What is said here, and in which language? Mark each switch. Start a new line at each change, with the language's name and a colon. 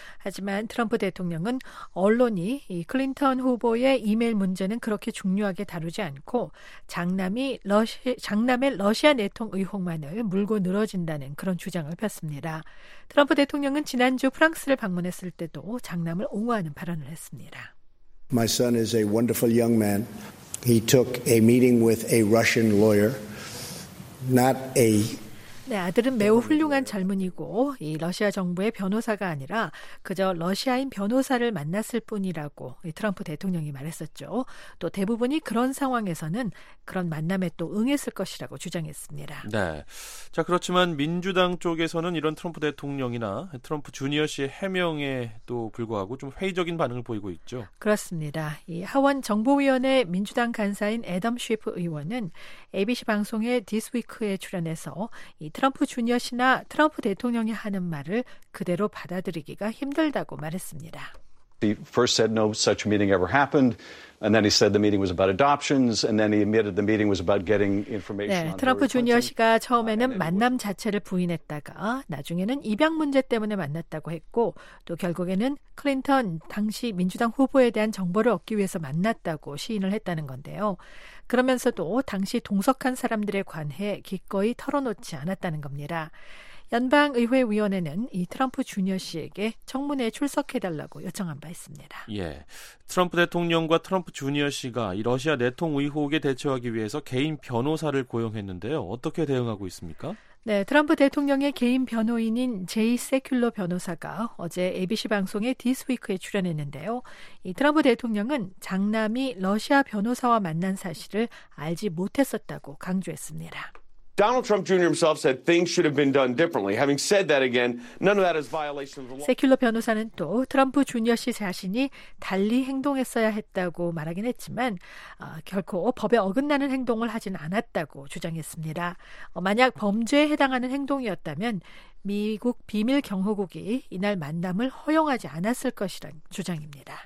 Korean: 하지만 트럼프 대통령은 언론이 이 클린턴 후보의 이메일 문제는 그렇게 중요하게 다루지 않고 장남의 러시아 내통 의혹만을 물고 늘어진다는 그런 주장을 폈습니다. 트럼프 대통령은 지난주 프랑스를 방문했을 때도 장남을 옹호하는 발언을 했습니다.
English: My son is a wonderful young man. He took a meeting with a Russian lawyer. Not a
Korean: 네, 아들은 매우 훌륭한 젊은이고 이 러시아 정부의 변호사가 아니라 그저 러시아인 변호사를 만났을 뿐이라고 이 트럼프 대통령이 말했었죠. 또 대부분이 그런 상황에서는 그런 만남에 또 응했을 것이라고 주장했습니다. 네, 자 그렇지만 민주당 쪽에서는 이런 트럼프 대통령이나 트럼프 주니어 씨의 해명에 또 불구하고 좀 회의적인 반응을 보이고 있죠. 그렇습니다. 이 하원 정보위원회 민주당 간사인 애덤 쉬프 의원은 ABC 방송의 This Week에 출연해서 이 트럼프 주니어 씨나 트럼프 대통령이 하는 말을 그대로 받아들이기가 힘들다고 말했습니다.
English: He first said no such meeting ever happened, and then he said the meeting was about adoptions, and then he admitted the meeting was about getting information.
Korean: 네, 트럼프 주니어 씨가 처음에는 만남 자체를 부인했다가 나중에는 입양 문제 때문에 만났다고 했고 또 결국에는 클린턴 당시 민주당 후보에 대한 정보를 얻기 위해서 만났다고 시인을 했다는 건데요. 그러면서도 당시 동석한 사람들에 관해 기꺼이 털어놓지 않았다는 겁니다. 연방의회 위원회는 이 트럼프 주니어 씨에게 청문회에 출석해달라고 요청한 바 있습니다. 예, 트럼프 대통령과 트럼프 주니어 씨가 이 러시아 내통 의혹에 대처하기 위해서 개인 변호사를 고용했는데요. 어떻게 대응하고 있습니까? 네, 트럼프 대통령의 개인 변호인인 제이 세큘러 변호사가 어제 ABC 방송의 This Week에 출연했는데요. 이 트럼프 대통령은 장남이 러시아 변호사와 만난 사실을 알지 못했었다고 강조했습니다.
English: Donald Trump Jr. himself said things should have been done differently. Having said that again, none of that is violation of the law.
Korean: 세큘러 변호사는 또 트럼프 주니어 씨 자신이 달리 행동했어야 했다고 말하긴 했지만 결코 법에 어긋나는 행동을 하진 않았다고 주장했습니다. 만약 범죄에 해당하는 행동이었다면 미국 비밀 경호국이 이날 만남을 허용하지 않았을 것이란 주장입니다.